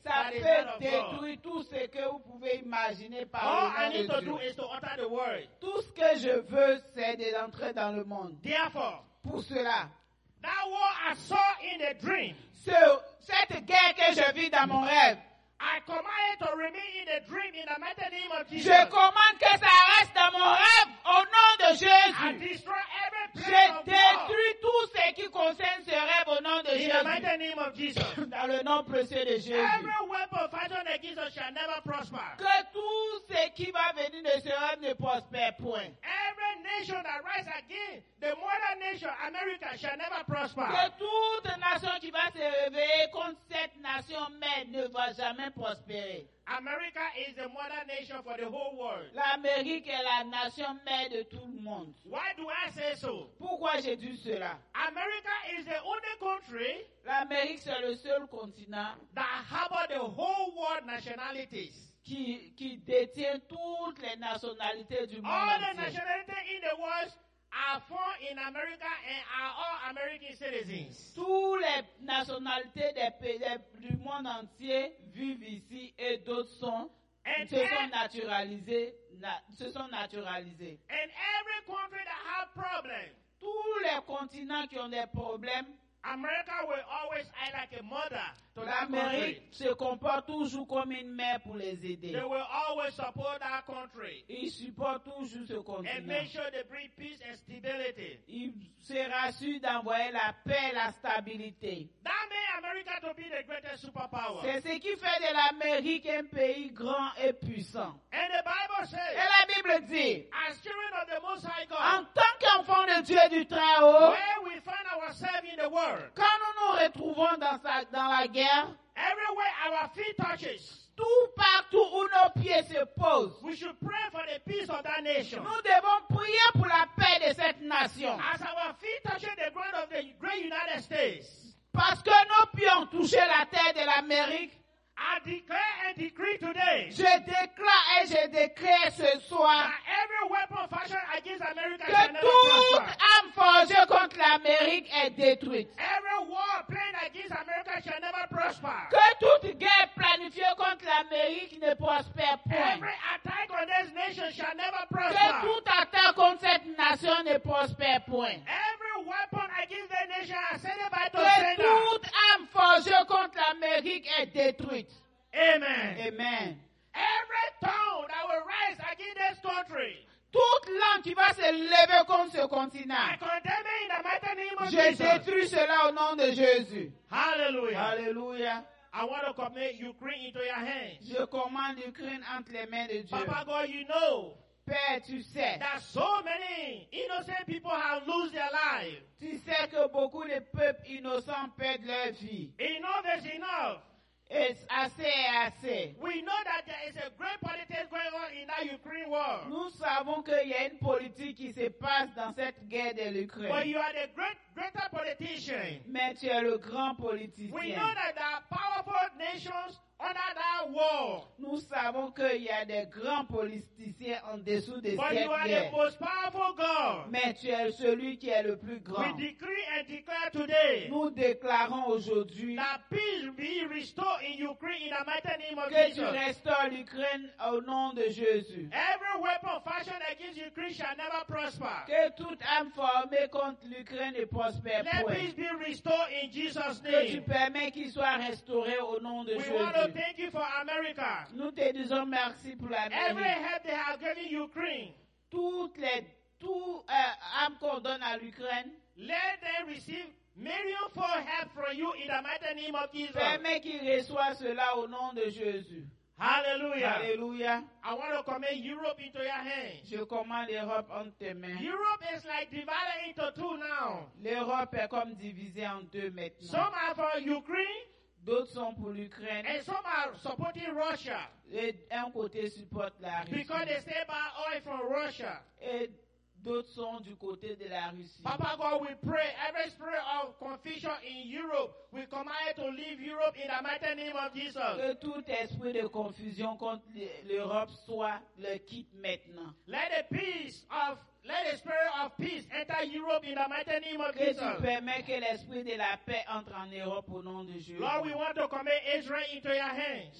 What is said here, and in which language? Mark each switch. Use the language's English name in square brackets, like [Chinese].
[French] Ça peut détruire tout ce que vous pouvez imaginer par le monde. [English] All I need to do is to utter the word. [French] Tout ce que je veux, c'est d'entrer dans le monde. [English] Therefore, [French] pour cela, [English] that war I saw in the dream. [French] Cette guerre que je vis dans mon rêve. [English] I command it to remain in the dream in the mighty name of Jesus. [French] Je commande que ça reste dans mon rêve au nom de Jésus. [English] I destroy every plan of God. [French] Je détruis tout ce qui concerne ce rêve au nom de [English] Jésus. In the mighty name of Jesus. [French] Dans le nom précieux de Jésus. [English] Every weapon fighting against us shall never prosper. [French] Que tout ce pays qui va venir ne sera ne prospère point. [English] Every nation that rise again, the mother nation, America, shall never prosper. [French] Que toute nation qui va se réveiller contre cette nation mère ne va jamais prospérer. [English] America is the mother nation for the whole world. [French] L'Amérique est la nation mère de tout le monde. [English] Why do I say so? [French] Pourquoi j'ai dit cela? [English] America is the only country. [French] L'Amérique c'est le seul continent [English] that harbors the whole world nationalities. [French] Qui détient toutes les nationalités du monde. [English] All the nationalities in the world are born in America and are all American citizens. [French] Toutes les nationalités des pays du monde entier vivent ici et d'autres se sont naturalisés. [English] And every country that have problems. [French] Tous les continents qui ont des problèmes. [English] America will always act like a mother to [French] l'Amérique [English] that [French] se comporte toujours comme une mère pour les aider. [English] They will always support that country. [French] Ils supportent toujours ce continent. [English] And make sure they bring peace and stability. [French] Ils se rassurent d'envoyer la paix et la stabilité. [English] That made America to be the greatest superpower. [French] C'est ce qui fait de l'Amérique un pays grand et puissant. [English] And the Bible says, [French] et la Bible dit, [English] as children of the Most High God, [French] en tant qu'enfants de Dieu du Très-Haut, [English] where we find ourselves in the world, [French] quand nous nous retrouvons dans la guerre, [English] everywhere our feet touches, [French] tout partout où nos pieds se posent, [English] we should pray for the peace of that nation. [French] Nous devons prier pour la paix de cette nation. [English] As our feet touch the ground of the great United States, [French] parce que nos pieds ont touché la terre de l'Amérique, [English] I declare and decree today, [French] je déclare et je décrète ce soir, [English] that every weapon fashioned against America, [French] que toute arme forgée contre l'Amérique est détruite. [English] Every war planned against America shall never prosper. [French] Que toute guerre planifiée contre l'Amérique ne prospère point. [English] Every attack on this nation shall never prosper. [French] Que toute attaque contre cette nation ne prospère point. [English] Every weapon against the nation sent by [French] que toute arme forgée contre l'Amérique est détruite. Amen. Amen. [English] Every tongue that will rise against this country, [French] toute langue qui va se lever contre ce continent, [English] I condemn it in the mighty name of [French] Jesus. Je détruis cela au nom de Jésus. Hallelujah. Hallelujah. [English] I want to commit Ukraine into your hands. [French] Je commande l'Ukraine entre les mains de Dieu. [English] Papa God, you know, [French] Père, tu sais, [English] that so many innocent people have lost their lives. [French] Tu sais que beaucoup de peuples innocents perdent leur vie. [English] Enough is enough. It's [French] assez. [English] We know that there is a great politics going on in that Ukraine war. [French] Nous savons qu'il y a une politique qui se passe dans cette guerre de l'Ukraine. [English] But you are the greater politician. [French] Mais tu es le grand politicien. [English] We know that there are powerful nations under that war. [French] Nous savons qu'il y a des grands politiciens en dessous de cette guerre. [English] But you are the most powerful God. [French] Mais tu es celui qui est le plus grand. [English] We decree and declare today. [French] Nous déclarons aujourd'hui. [English] That peace be restored in Ukraine in the mighty name of Jesus. [French] Que tu restaures l'Ukraine au nom de Jésus. [English] Every weapon fashioned against Ukraine shall never prosper. [French] Que toute arme formée contre l'Ukraine ne prospère point. [English] Let peace be restored in Jesus' name. [French] Que tu permets qu'il soit restauré au nom de Jésus. [English] Thank you for America. [French] Nous te disons merci pour l'Amérique. [English] Every help they have given Ukraine. [French] Toutes les armes qu'on donne à l'Ukraine. [English] Let them receive million for help from you in the mighty name of Jesus. [French] Permet qu'ils reçoivent cela au nom de Jésus. Hallelujah. Hallelujah. [English] I want to commit Europe into your hands. [French] Je commande l'Europe entre tes mains. [English] Europe is like divided into two now. [French] L'Europe est comme divisée en deux maintenant. [English] Some are for Ukraine. [French] D'autres sont pour l'Ukraine. [English] And some are supporting Russia. [French] Et un côté supporte la Russie. [English] Because they say buy oil from Russia. [French] Et d'autres sont du côté de la Russie. [English] Papa God, we pray. Every spirit of confusion in Europe, we command it to leave Europe in the mighty name of Jesus. [French] Que tout esprit de confusion contre l'Europe soit le quitte maintenant. [English] Let the spirit of peace enter Europe in the mighty name of [French] que [English] Jesus. [French] Que tu permets que l'esprit de la paix entre en Europe au nom de Jésus. [English] Lord, we want to commit Israel into your hands.